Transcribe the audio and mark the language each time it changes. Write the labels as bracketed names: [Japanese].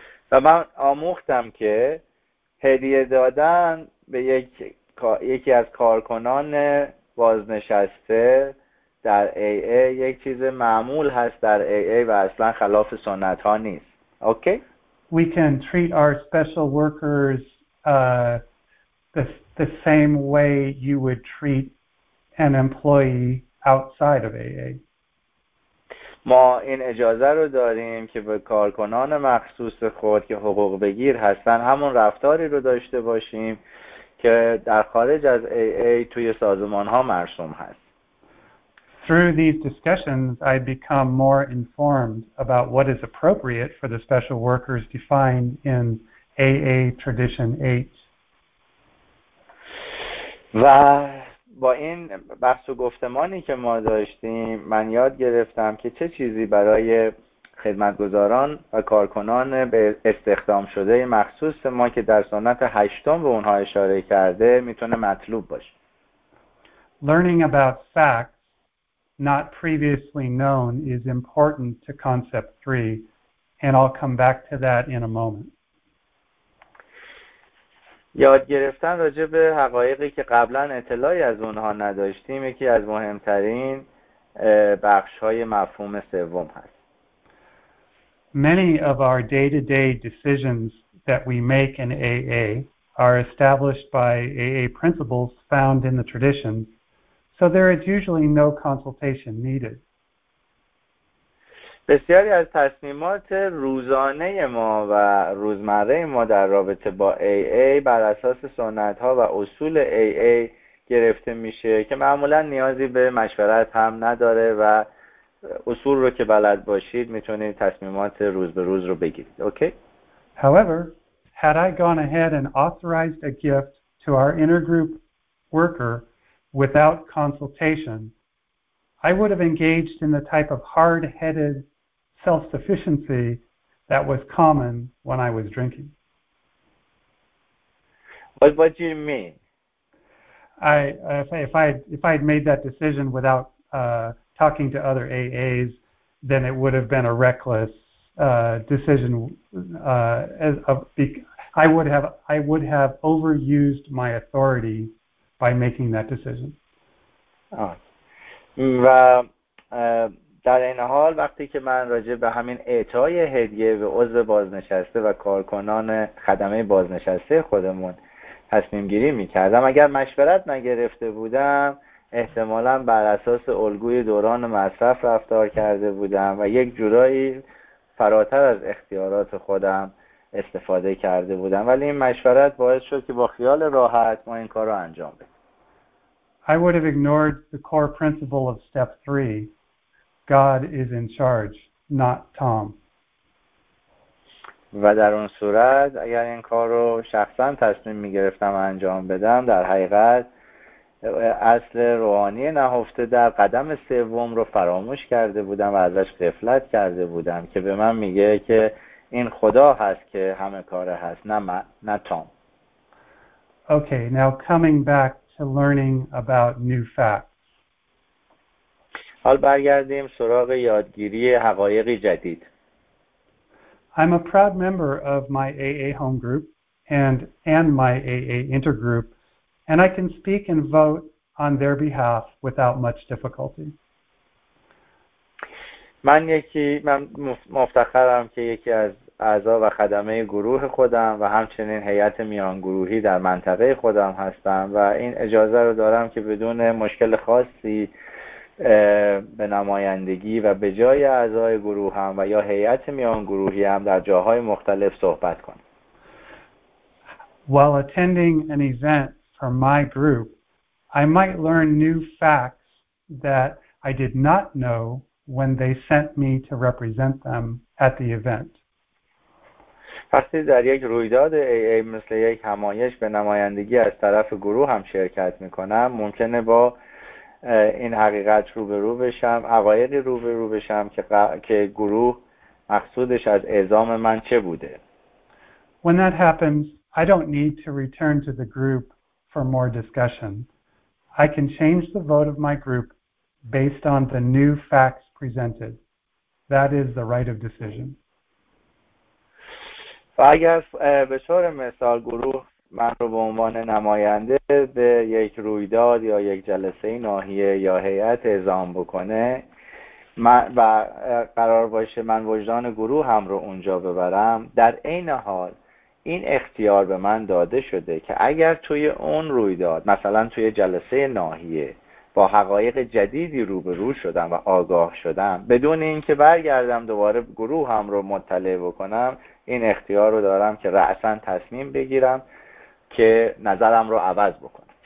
[Persian] و من آموختم که هدیه دادن به یکی از کارکنان بازنشسته در AA یک چیز معمول هست در AA و اصلا خلاف سنت ها نیست. [English] Okay? We can treat our special workers the same way you would treat an employee outside of AA. [Persian] ما این اجازه رو داریم که به کارکنان مخصوص خود که حقوق بگیر هستن همون رفتاری رو داشته باشیم که در خارج از AA توی سازمان ها مرسوم هست. [English] Through these discussions, I become more informed about what is appropriate for the special workers defined in AA Tradition 8. [Persian] و با این بحث و گفتمانی که ما داشتیم، من یاد گرفتم که چه چیزی برای خدمتگزاران و کارکنان به استخدام شده مخصوص ما که در سنت هشتم به اونها اشاره کرده میتونه مطلوب باشه. [English] Learning about facts not previously known is important to concept 3, and I'll come back to that in a moment. [Persian] یاد گرفتن راجع به حقایقی که قبلا اطلاعی از اونها نداشتیم یکی از مهمترین بخش‌های مفهوم سوم هست. [English] Many of our day-to-day decisions that we make in AA are established by AA principles found in the tradition. So there is usually no consultation needed. [Persian] بسیاری از تصمیمات روزانه ما و روزمره ما در رابطه با AA بر اساس سنت ها و اصول AA گرفته میشه که معمولا نیازی به مشورت هم نداره و اصول رو که بلد باشید میتونید تصمیمات روز به روز رو بگیرید. [English] Okay? However, had I gone ahead and authorized a gift to our inner group worker without consultation, I would have engaged in the type of hard-headed self-sufficiency that was common when I was drinking. What do you mean? If I had made that decision without talking to other AAs, then it would have been a reckless decision. I would have overused my authority by making that decision. [Persian] و در این حال وقتی که من راجع به همین اعطای هدیه به عضو بازنشسته و کارکنان خدمه بازنشسته خودمون تصمیم گیری میکردم، اگر مشورت نگرفته بودم احتمالا بر اساس الگوی دوران مصرف رفتار کرده بودم و یک جورایی فراتر از اختیارات خودم استفاده کرده بودم، ولی این مشورت باعث شد که با خیال راحت ما این کار رو انجام بدیم. [English] I would have ignored the core principle of step 3. God is in charge, not Tom. [Persian] و در اون صورت اگر این کار رو شخصا تصمیم می‌گرفتم انجام بدم، در حقیقت اصل روحانی نهفته در قدم سوم رو فراموش کرده بودم و ازش غفلت کرده بودم که به من میگه که این خدا هست که همه کاره هست، نه من، نه تام. [English] Okay, now coming back to learning about new facts. [Persian] حال برگردیم سراغ یادگیری حقایق جدید. [English] I'm a proud member of my AA home group and my AA intergroup, and I can speak and vote on their behalf without much difficulty. [Persian] من مفتخرم که یکی از اعضا و خدمه گروه خودم و همچنین هیئت میانگروهی در منطقه خودم هستم و این اجازه رو دارم که بدون مشکل خاصی به نمایندگی و به جای اعضای گروهم و یا هیئت میانگروهی هم در جاهای مختلف صحبت کنم. [English] While attending an event for my group, I might learn new facts that I did not know when they sent me to represent them at the event. [Persian] وقتی در یک رویداد AA مثل یک همایش به نمایندگی از طرف گروه هم شرکت می کنم، ممکنه با این حقیقت روبرو بشم، عقایدی روبرو بشم که گروه مقصودش از اعزام من چه بوده. [English] When that happens, I don't need to return to the group for more discussion. I can change the vote of my group based on the new facts presented. That is the right of decision. [Persian] و اگر به طور مثال گروه من رو به عنوان نماینده به یک رویداد یا یک جلسه ناحیه یا هیئت اعزام بکنه و قرار باشه من وجدان گروه هم رو اونجا ببرم، در عین حال این اختیار به من داده شده که اگر توی اون رویداد، مثلا توی جلسه ناحیه، با حقایق جدیدی روبرو شدم و آگاه شدم، بدون اینکه برگردم دوباره گروه هم رو مطلع بکنم، این اختیار رو دارم که رأسا تصمیم بگیرم که نظرم رو عوض بکنم.